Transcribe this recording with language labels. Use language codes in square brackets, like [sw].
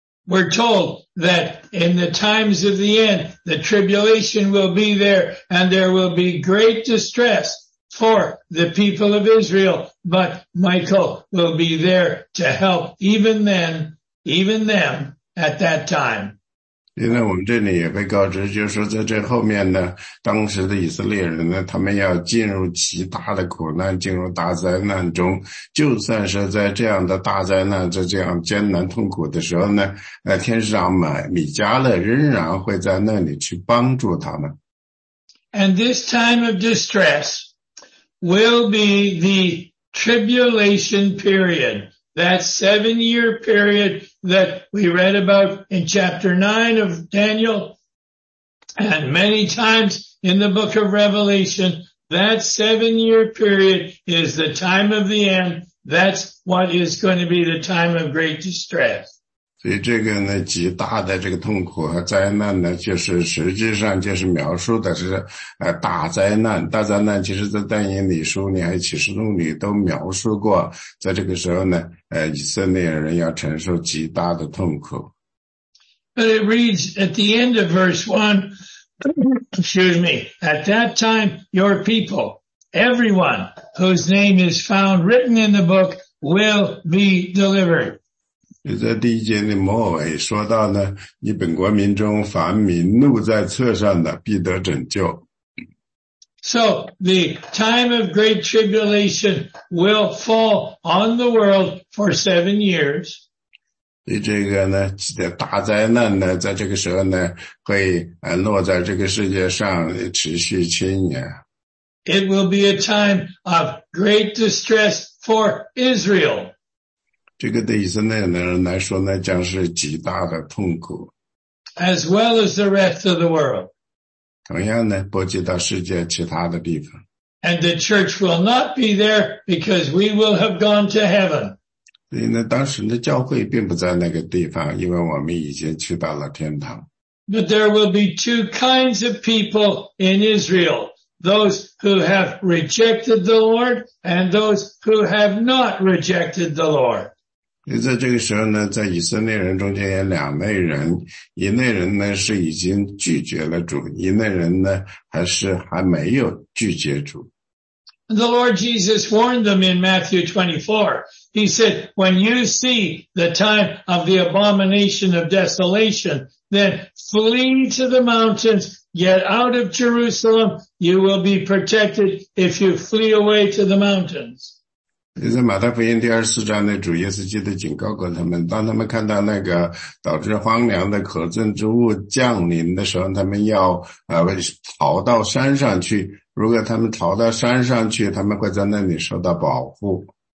[en] We're told that in the times of the end, the tribulation will be there and there will be great distress for the people of Israel, but Michael will be there to help even then, even them at that time. [zh] 因为我们这里也被告知，就是说在这后面呢，当时的以色列人呢，他们要进入极大的苦难，进入大灾难中。就算是在这样的大灾难，在这样艰难痛苦的时候呢，天使长米迦勒仍然会在那里去帮助他们。 [en] And this time of distress will be the tribulation period. That 7-year period that we read about in chapter 9 of Daniel and many times in the book of Revelation, that 7-year period is the time of the end. That's what is going to be the time of great distress. [zh] 所以这个呢，极大的这个痛苦和灾难呢，就是实际上就是描述的是，大灾难。大灾难其实在但以理书里还有启示录里都描述过，在这个时候呢，以色列人要承受极大的痛苦。 [en] But it reads at the end of verse 1, excuse me, at that time your people, everyone whose name is found written in the book will be delivered. [zh] 在第一节的末尾说到呢，你本国民中凡民怒在册上的必得拯救。 [en] So, the time of great tribulation will fall on the world for 7 years. [zh] 所以这个呢，大灾难呢，在这个时候呢，会落在这个世界上持续7年。 [en] It will be a time of great distress for Israel. [zh] 这个对以色列的人来说呢，将是极大的痛苦。 [en] As well as the rest of the world. [zh] 同样呢，波及到世界其他的地方。 [en] And the church will not be there because we will have gone to heaven. [zh] 所以呢，当时的教会并不在那个地方，因为我们已经去到了天堂。 [en] But there will be two kinds of people in Israel. Those who have rejected the Lord and those who have not rejected the Lord. [zh] 在这个时候呢，在以色列人中间有两类人，一类人呢是已经拒绝了主，一类人呢还没有拒绝主。 [en] The Lord Jesus warned them in Matthew 24. He said, "When you see the time of the abomination of desolation, then flee to the mountains. Get out of Jerusalem. You will be protected if you flee away to the mountains." [zh] 在马太福音第24章的主耶稣基督警告过他们，当他们看到那个导致荒凉的可憎之物降临的时候，他们要逃到山上去。如果他们逃到山上去，他们会在那里受到保护。